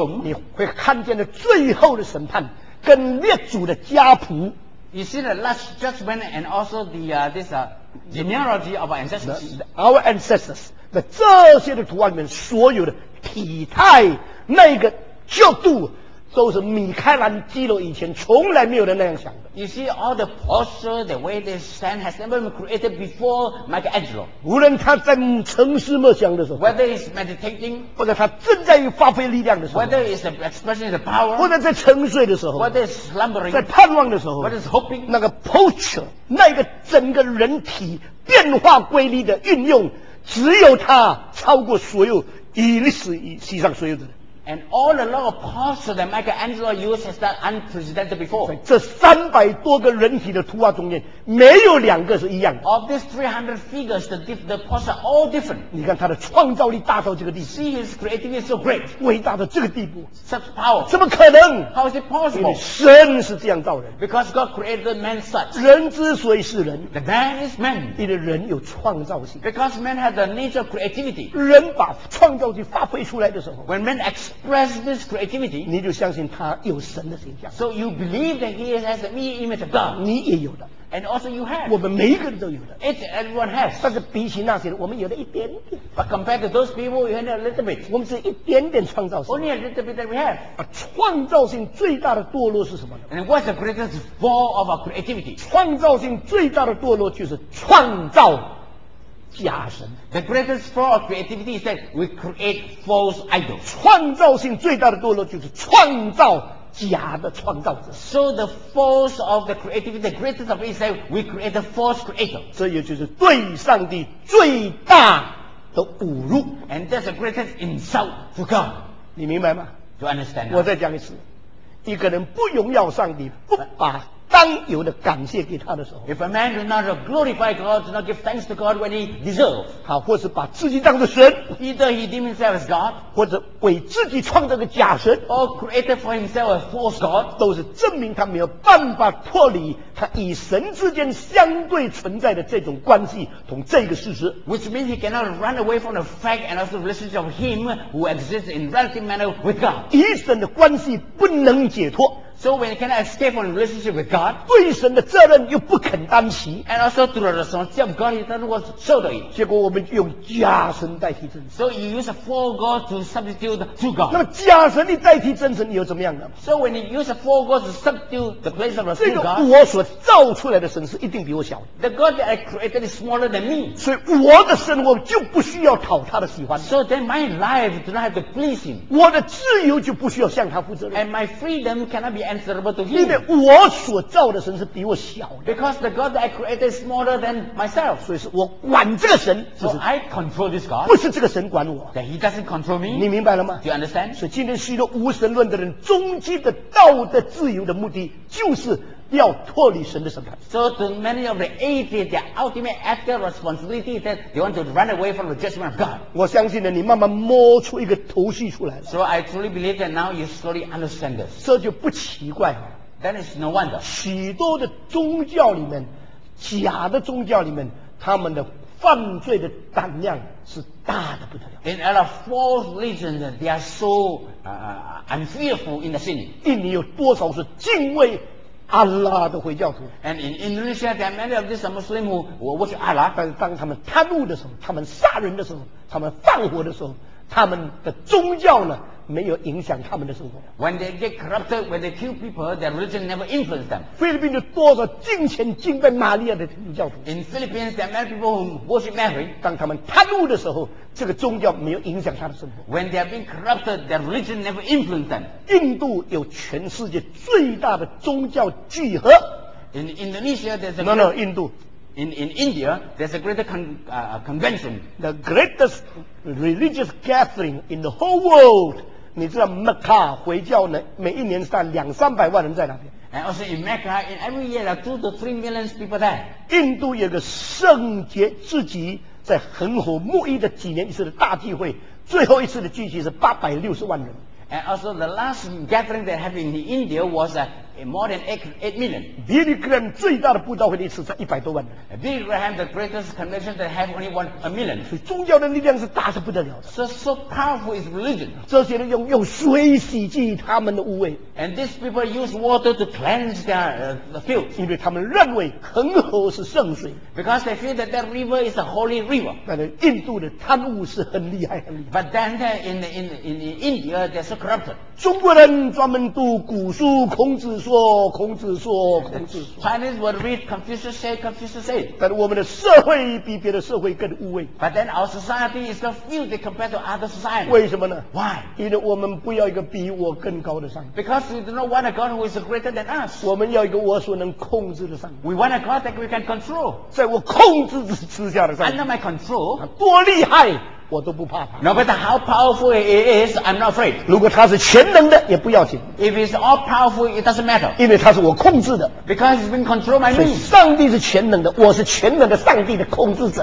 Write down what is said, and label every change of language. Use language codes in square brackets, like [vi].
[zh] 你会看见的最后的审判跟列祖的家谱 [en] You see the last judgment and also the, this, genealogy of our ancestors Our ancestors [zh] 那这些的图案里面所有的体态那个角度都是米开朗基罗以前从来没有的那样想的 [en] You see all the posture, the way they stand has never been created before Michelangelo [zh] 无论他在沉思默想的时候 [en] Whether he's meditating [zh] 或者他正在发挥力量的时候 [en] Whether he's expressing the power [zh] 或者在沉睡的时候 [en] Whether he's slumbering [zh] 在盼望的时候 [en] Whether he's hoping [zh] 那个 posture 那个整个人体变化规律的运用只有他超过所有以历史以西上所有的人 [en] And all the law of posture that Michelangelo used has been unprecedented before. [zh] 在这三百多个人体的图画中间，没有两个是一样的。 [en] Of these 300 figures, the posture all different. [zh] 你看他的创造力大到这个地步。 [en] See his creativity is so great. [zh] 伟大到这个地步。 [en] Such power. [zh] 怎么可能 [en] ？How is it possible? [zh] 因为神是这样造人。 [en] Because God created man such. [zh] 人之所以是人 [en] ，The man is man. [zh] 因为人有创造性。 [en] Because man has the nature of creativity. [zh] 人把创造性发挥出来的时候 [en] ，When man ex express this creativity [zh] 你就相信他有神的形象 [en] so you believe that he has the mere image of God [zh] 你也有的 [en] and also you have [zh] 我们每一个人都有的 [en] it's everyone has [zh] 但是比起那些人我们有的一点点 [en] but compared to those people you have a little bit [zh] 我们只一点点创造性 [en] only a little bit that we have [zh] 而创造性最大的堕落是什么呢 [en] and what's the greatest fall of our creativity [zh] 创造性最大的堕落就是创造假神。 [en] The greatest flaw of creativity is that we create false idols. [zh] 创造性最大的堕落就是创造假的创造者。 [en] So the false of the creativity, the greatest of it is that we create a false creator. [zh] 这也就是对上帝最大的侮辱。 [en] And that's the greatest insult to God. [zh] 你明白吗？ [en] You understand? [zh] 我再讲一次，一个人不荣耀上帝，不把当有的感谢给他的时候 [en] ，If a man does not glorify God, does not give thanks to God when he deserves, [zh] 好，或是把自己当作神 [en] ，Either he deems himself as God, [zh] 或者为自己创造个假神 [en] ，Or created for himself a false God, [zh] 都是证明他没有办法脱离他与神之间相对存在的这种关系同这个事实 [en] ，Which means he cannot run away from the fact and also the relationship of him who exists in relative manner with God. [zh] 与神的关系不能解脱。 [en] So when you cannot escape from a relationship with God, [zh] 对神的责任又不肯担起 [en] and also through the responsibility of God, he doesn't want to shoulder it. [zh] 结果我们用假神代替真神 [en] So you use a false God to substitute to God. [zh] 那么假神你代替真神，你又怎么样呢 [en] ？So when you use a false God to substitute the place of the true God, [zh] 这个我所造出来的神是一定比我小的。 [en] The God that I created is smaller than me. [zh] 所以我的生活就不需要讨他的喜欢。 [en] So then my life do not have to please him. [zh] 我的自由就不需要向他负责任。 [en] And my freedom cannot be To him. [zh] 因为我所造的神是比我小的 [en] ，because the God that I created is smaller than myself， [zh] 所以是我管这个神 [en] ，so I control this God， [zh] 不是这个神管我 [en] ，that he doesn't control me， [zh] 你明白了吗 [en] ？Do you understand？ [zh] 所以今天许多无神论的人，终极的道德自由的目的就是。要脱离神的审判。 [en] So to many of the atheists, their ultimate ethical responsibility is that they want to run away from the judgment of God. [zh] 我相信呢，你慢慢摸出一个头绪出来。 [en] So I truly believe that now you slowly understand this. [zh] 这就不奇怪。 [en] Then it's no wonder. [zh] 许多的宗教里面，假的宗教里面，他们的犯罪的胆量是大的不得了。 [en] In other false religions, they are so unfearful in the sin. [zh] 印尼有多少是敬畏？阿拉的回教徒 [en] and in Indonesia there are many of these Muslims who worship Allah [zh] 但是当他们贪污的时候他们杀人的时候他们放火的时候他们的宗教呢没有影响他们的生活 [en] when they get corrupted when they kill people their religion never influenced them [zh] 菲律宾有多少敬虔敬拜玛利亚的教徒 [en] in Philippines there are many people who worship Mary [zh] 当他们贪污的时候这个宗教没有影响他的生活 [en] when they have been corrupted their religion never influenced them [zh] 印度有全世界最大的宗教聚合 [en] in Indonesia there's a no no [zh] 印度 [en] in India there's a greater convention the greatest religious gathering in the whole world [zh] 你知道 Mecca 回教呢每一年上两三百万人在那边 [en] and also in Mecca in every year there are 2 to 3 million people there [zh] 印度有个圣洁自己在恒河沐浴的几年一次的大聚会最后一次的聚集是860万人 [en] and also the last gathering that happened in India was more than 8 million [zh] Billy Graham 最大的布道会的一次才100多万人 [en] Billy Graham the greatest convention that have only won 1 million [zh] 所以宗教的力量是大是不得了的 [en] so powerful is religion [zh] 这些人 用水洗净他们的污秽 [en] and these people use water to cleanse their fields [zh] 因为他们认为恒河是圣水 [en] because they feel that river is a holy river [zh] 但是印度的贪污是很厉害很厉害 [en] but then in India they're so corrupted [zh] 中国人专门读古书孔子说孔子说孔子说 [en] Chinese would read Confucius say Confucius say [zh] 但我们的社会比别的社会更污秽 [en] But then our society is not filthy compared to other society [zh] 为什么呢 [en] Why [zh] 因为我们不要一个比我更高的上帝 [en] Because we do not want a God who is greater than us [zh] 我们要一个我所能控制的上帝 [en] We want a God that we can control [zh] 在我控制之下的上帝 [en] Under my control [zh] 多厉害我都不怕他 [en] No matter how powerful he is, I'm not afraid. [zh] 如果他是全能的，也不要紧 [en] If he's all powerful, it doesn't matter. [zh] 因为他是我控制的 [en] Because he's been controlled by me. [zh] 上帝是全能的，我是全能的上帝的控制者